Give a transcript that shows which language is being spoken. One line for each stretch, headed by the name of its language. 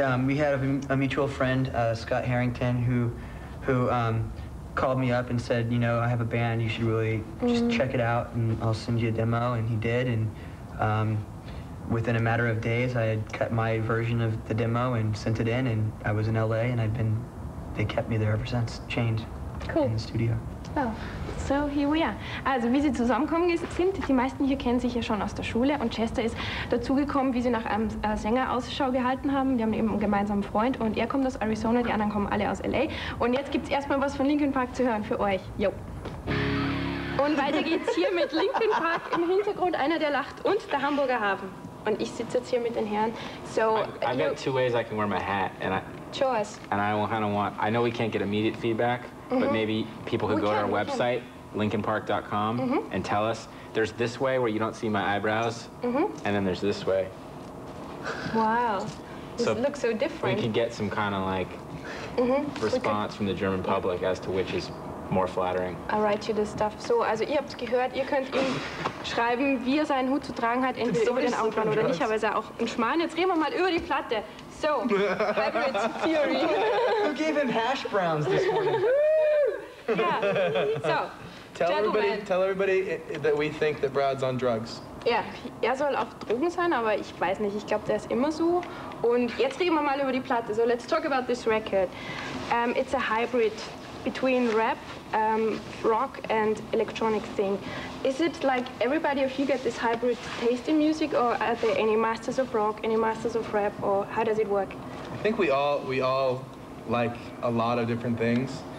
English: And we had a mutual friend, Scott Harrington, who called me up and said, you know, I have a band, you should really just check it out, and I'll send you a demo, and he did, and within a matter of days, I had cut my version of the demo and sent it in, and I was in LA, and they kept me there ever since, chained. Cool. In the studio. Well, so here we are.
German: Also, wie sie zusammengekommen sind, die meisten hier kennen sich ja schon aus der Schule und Chester ist dazugekommen, wie sie nach einem Sänger Ausschau gehalten haben. Wir haben eben einen gemeinsamen Freund und er kommt aus Arizona, die anderen kommen alle aus LA. Und jetzt gibt's erstmal was von Linkin Park zu hören für euch. Jo. Und weiter geht's hier mit Linkin Park im Hintergrund, einer der lacht und der Hamburger Hafen. Und ich sitze jetzt hier mit den Herren.
English: So, I've got two ways I can wear my hat. Choice. And I kind of want, I know we can't get immediate feedback. Mm-hmm. But maybe people could go to our website, linkinpark.com, mm-hmm. and tell us. There's this way where you don't see my eyebrows, mm-hmm. and then there's this way. Wow, so this looks so different. We could get some kind of like mm-hmm. response from the German public as to which is more flattering. I'll write you this stuff.
German: So, also ihr habt gehört, ihr könnt ihm schreiben, wie er seinen Hut zu tragen hat, entweder über den Augenbrauen oder nicht, aber er ist auch ein Schmarrn. Jetzt reden wir mal über die Platte. So, Hybrid Theory.
English: Who gave him hash browns this morning? Yeah. So, tell everybody that we think that Brad's on drugs.
German: Yeah, er soll auf Drogen sein, aber ich weiß nicht. Ich glaube, der ist immer so. Und jetzt reden wir mal über die Platte.
English: So, let's talk about this record. It's a hybrid between rap, rock, and electronic thing. Is it like everybody of you get this hybrid taste in music, or are there any masters of rock, any masters of rap, or how does it work? I think we all like a lot of different things.